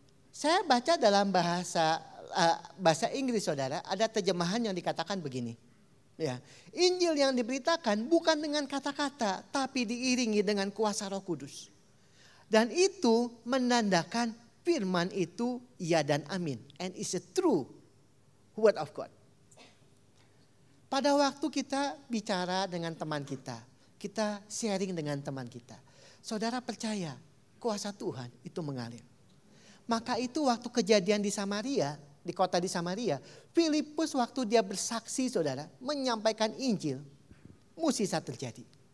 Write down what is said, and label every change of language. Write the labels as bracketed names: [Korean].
[Indonesian] Saya baca dalam bahasa Inggris saudara, ada terjemahan yang dikatakan begini. Ya, Injil yang diberitakan bukan dengan kata-kata, tapi diiringi dengan kuasa Roh Kudus. Dan itu menandakan firman itu ya dan amin. [English] And it's a true word of God. [Indonesian] Pada waktu kita bicara dengan teman kita sharing dengan teman kita. Saudara percaya kuasa Tuhan itu mengalir. Maka itu waktu kejadian di Samaria, di kota di Samaria, Filipus waktu dia bersaksi saudara, menyampaikan Injil, mukjizat terjadi.